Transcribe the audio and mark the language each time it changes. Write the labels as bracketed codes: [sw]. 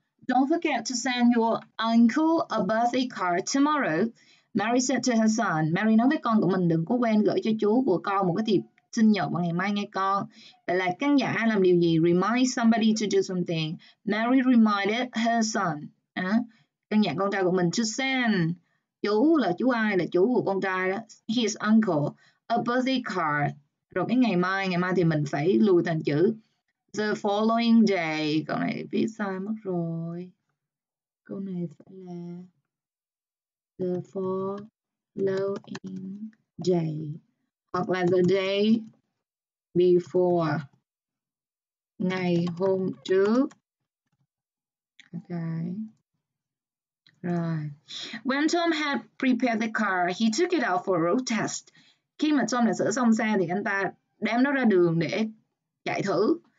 [en] Don't forget to send your uncle a birthday card tomorrow. Mary said to her son. [vi] Mary nói với con của mình đừng có quên gửi cho chú của con một cái thiệp sinh nhật vào ngày mai nghe con. Vậy là căn dặn ai làm điều gì? [en] Remind somebody to do something. Mary reminded her son. [vi] Căn dặn con trai của mình [en] to send. [vi] Chú là chú ai? Là chú của con trai đó. [en] His uncle. A birthday card. [vi] Rồi cái ngày mai thì mình phải lùi thành chữ [en] the following day. [vi] Câu này viết sai mất rồi. Câu này phải là [en] the following day. [vi] Hoặc là [en] the day before. [vi] Ngày hôm trước. Ok. Rồi. [en] When Tom had prepared the car, he took it out for a road test. [vi] Khi mà Tom đã sửa xong xe thì anh ta đem nó ra đường để chạy thử.